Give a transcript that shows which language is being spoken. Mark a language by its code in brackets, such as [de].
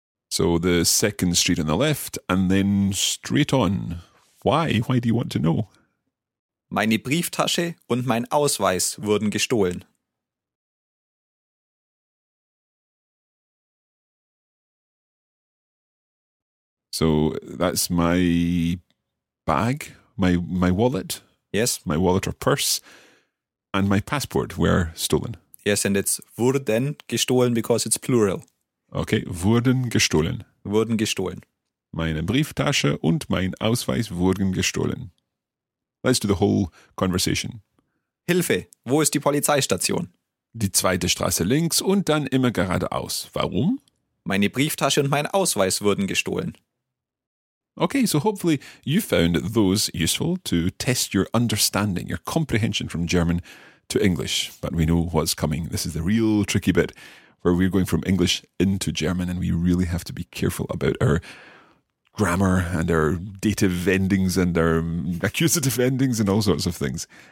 [en] So the second street on the left and then straight on. Why? Why do you want to know? [de] Meine Brieftasche und mein Ausweis wurden gestohlen. [en] So that's my bag, my wallet. Yes. My wallet or purse and my passport were stolen. Yes, and it's [de] wurden gestohlen [en] because it's plural. [de] Okay, wurden gestohlen. Wurden gestohlen. Meine Brieftasche und mein Ausweis wurden gestohlen. [en] Let's do the whole conversation. [de] Hilfe, wo ist die Polizeistation? Die zweite Straße links und dann immer geradeaus. Warum? Meine Brieftasche und mein Ausweis wurden gestohlen. [en] Okay, so hopefully you found those useful to test your understanding, your comprehension from German to English. But we know what's coming. This is the real tricky bit where we're going from English into German and we really have to be careful about our grammar and our dative endings and our accusative endings and all sorts of things.